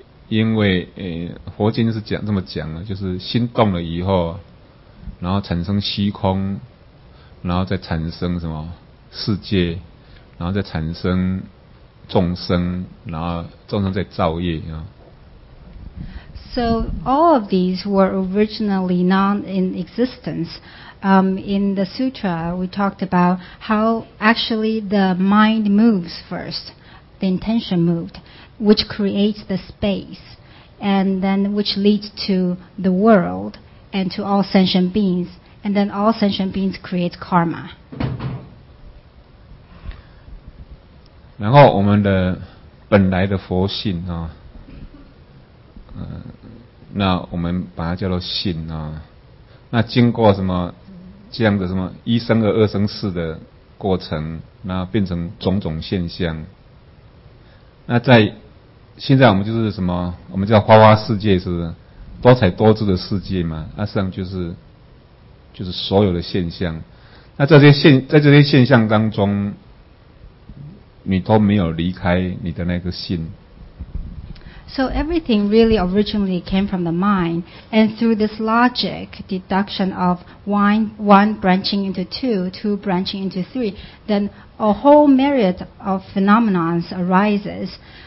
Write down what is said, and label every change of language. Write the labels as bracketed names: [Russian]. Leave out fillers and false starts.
[Chinese] 因为佛经是讲这么讲的，就是心动了以后，然后产生虚空，然后再产生什么世界，然后再产生众生，然后众生再造业啊。 [English] So all of these were originally not in existence. In the sutra, we talked about how actually the mind moves first, the intention moved. Which creates the space, and then which leads to the world and to all sentient beings, and then all sentient beings create karma. [Chinese] 然后我们的本来的佛性啊，那我们把它叫做性啊，那经过什么这样的什么一生二二生四的过程，那变成种种现象。那在现在我们就是什么，我们叫花花世界，是不是多彩多姿的世界嘛？那实际上就是所有的现象。那在这些现象当中，你都没有离开你的那个心。 [English] So everything really originally came from the mind, and through this logic, deduction of one branching into two branching into three, then a whole myriad of phenomena arises.